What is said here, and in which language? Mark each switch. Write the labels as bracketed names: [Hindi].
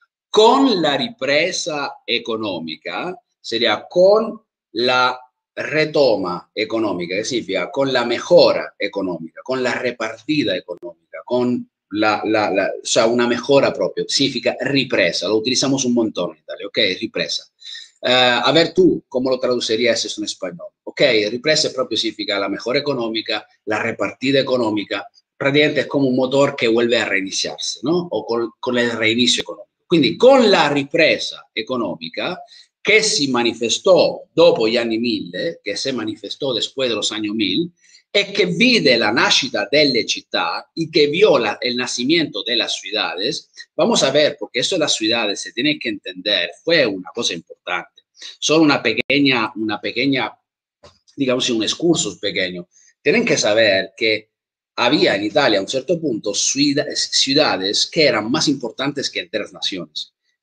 [Spanish] Con la ripresa economica, sería con la retoma economica, che significa con la mejora economica, con la repartida economica, con la o sea, una mejora proprio, significa ripresa, lo utilizamos un montón [Italian] in Italia, [Spanish] ok? Ripresa. A ver tú, ¿cómo lo traducirías eso en español? Ok, ripresa proprio significa la mejora economica, la repartida economica, praticamente es como un motor que vuelve a reiniciarse, ¿no? O con el reinicio económico. [Italian] Quindi con la ripresa economica, che si manifestò dopo gli anni 1000, che si manifestò [Spanish] después de los años 1000, [Italian] e che vide la nascita delle città e che vio il nascimento delle ciudades. [Spanish] Vamos a ver, [Italian] perché [Spanish] eso de las ciudades se tiene que entender, fue una cosa importante. Solo una pequeña, digamos, un excursus pequeño. Tienen que saber que había en Italia [Italian] a un certo punto [Spanish] ciudades que eran más importantes que enteras naciones.